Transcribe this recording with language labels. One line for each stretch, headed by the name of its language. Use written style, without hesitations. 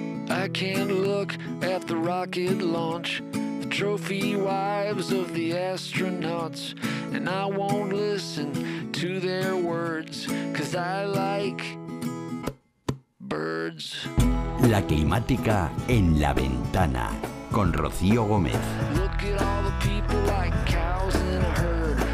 English: I can't look at the rocket launch, the trophy wives of the astronauts, and I won't listen to their words, 'cause I like birds.
Spanish: La climática en la ventana con Rocío Gómez.
English: Look at all the people like cows in a herd.